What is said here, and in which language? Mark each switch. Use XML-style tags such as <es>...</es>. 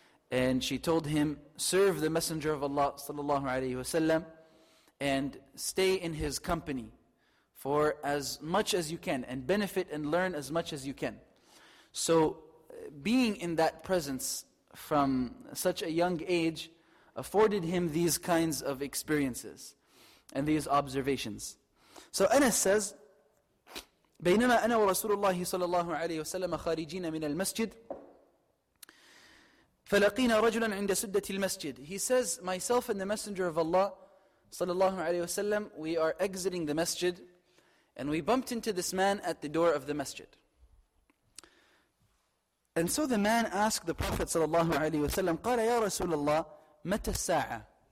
<en>And she told him, serve the Messenger of Allah ﷺ and stay in his company for as much as you can and benefit and learn as much as you can. So being in that presence from such a young age afforded him these kinds of experiences and these observations. So Anas says,</en> <ar>بينما أنا ورسول الله صلى الله عليه وسلم خارجين من المسجد فلقينا رجلا عند سدة المسجد.</ar> <en>He says, myself and the Messenger of Allah</en> <ar>صلى الله عليه وسلم,</ar> <en>we are exiting the masjid and we bumped into this man at the door of the masjid. And so the man asked the Prophet ﷺ,</en> <ar>قَالَ يَا رَسُولَ اللَّهِ مَتَ السَّاعَةِ.</ar>